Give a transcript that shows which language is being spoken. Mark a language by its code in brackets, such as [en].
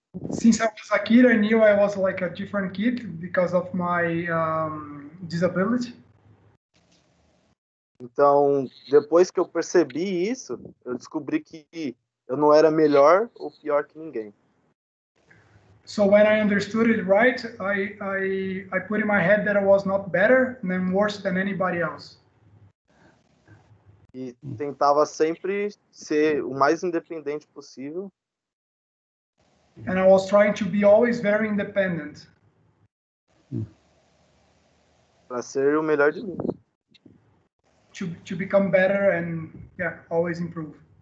[en] Since I was a kid, I knew I was like a different kid because of my disability. [pt] Então, depois que eu percebi isso, eu descobri que eu não era melhor ou pior que ninguém. [en] So when I understood it right, I put in my head that I was not better than worse than anybody else. [pt] E tentava sempre ser o mais independente possível. [en] And I was trying to be always very independent. [pt] Para ser o melhor de mim. [en] To become better and yeah, always improve.